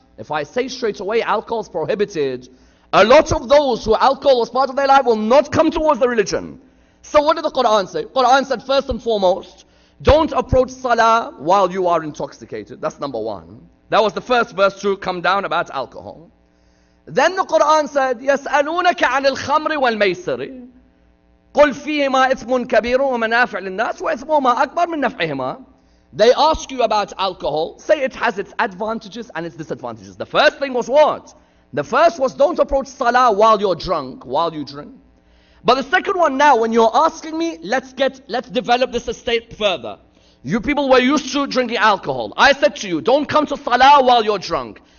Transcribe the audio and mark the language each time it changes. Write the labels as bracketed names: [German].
[English] If I say straight away alcohol is prohibited, a lot of those who alcohol was part of their life will not come towards the religion. So what did the Quran say? Quran said, first and foremost, don't approach salah while you are intoxicated. That's number one. That was the first verse to come down about alcohol. Then the Quran said, [Arabic] يَسْأَلُونَكَ عَنِ الْخَمْرِ وَالْمَيْسَرِ قُلْ فِيهِمَا إِثْمٌ كَبِيرٌ وَمَنَافِعٌ لِلنَّاسِ وَإِثْمُهُمَا أَكْبَرٌ مِنْ نَفْعِهِمَا. [English] They ask you about alcohol. Say it has its advantages and its disadvantages. The first thing was what? The first was don't approach salah while you're drunk, while you drink. But the second one now, when you're asking me, let's develop this estate further. You people were used to drinking alcohol. I said to you, don't come to salah while you're drunk.